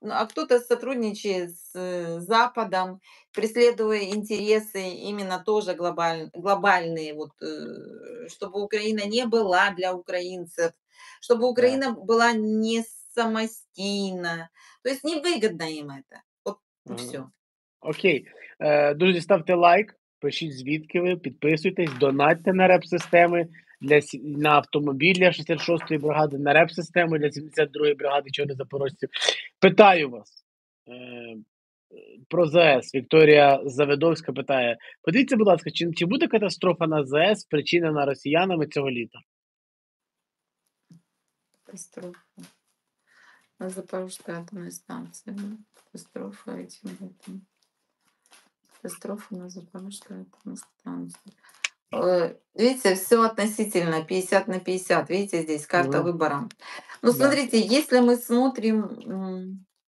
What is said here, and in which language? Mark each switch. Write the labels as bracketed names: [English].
[Russian] Кто-то сотрудничает с Западом, преследуя интересы именно тоже глобальные, вот, чтобы Украина не была для украинцев, чтобы Украина была не самостийна. То есть невыгодно им это. Вот все. Окей. Друзья, ставьте лайк. [Ukrainian] Пишіть, звідки ви, підписуйтесь, донатьте на реп-системи на автомобіль для 66-ї бригади, на реп-системи для 72-ї бригади Чорних Запорожців. Питаю вас про ЗС. Вікторія Заведовська питає. Подивіться, будь ласка, чи буде катастрофа на ЗС, причинена росіянами цього літа? Катастрофа. На Запорожській атомній станції. Катастрофа цим літом. [Russian] Катастрофа на Запорожской атомной станции. Видите, все относительно, 50 на 50. Видите, здесь карта выбора. Ну, смотрите, если мы смотрим...